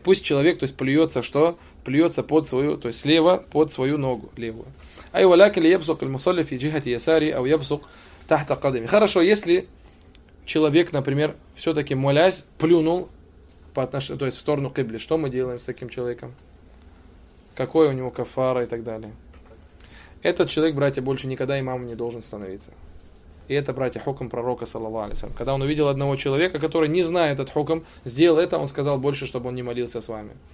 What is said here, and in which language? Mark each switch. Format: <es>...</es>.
<ru>Пусть человек, то есть плюется, что плюется под свою, то есть слева под свою ногу левую.</ru> <ar>اي ولكن يبصق المصلي في جهه يساري او يبصق تحت قدمي.</ar> <ru>Хорошо, если человек, например, всё-таки молясь, плюнул то есть в сторону кыбли, что мы делаем с таким человеком? Какое у него кафара и так далее? Этот человек, братья, больше никогда имамом не должен становиться. И это, братья, хокм пророка, саллаллаху алейхи ва саллям. Когда он увидел одного человека, который не знает этот хокм, сделал это, он сказал больше, чтобы он не молился с вами.</ru>